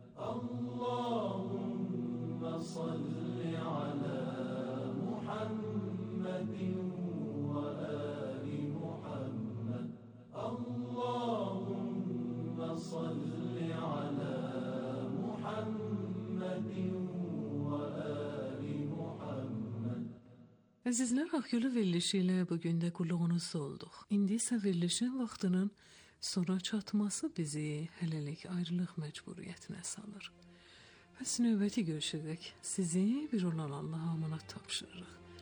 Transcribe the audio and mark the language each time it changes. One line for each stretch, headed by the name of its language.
Arabic: اللهم صل على محمد وآل محمد اللهم صل على محمد وآل محمد.
Azerbaijani: Əzizlər, Ahyolu verilişi ilə bugün də qulluğunuz olduq. İndi isə verilişin vaxtının sonra çatması bizi hələlik ayrılıq məcburiyyətinə salır. Bəs növbəti görüşürük. Sizi bir olan Allah'a amanat tapışırıq.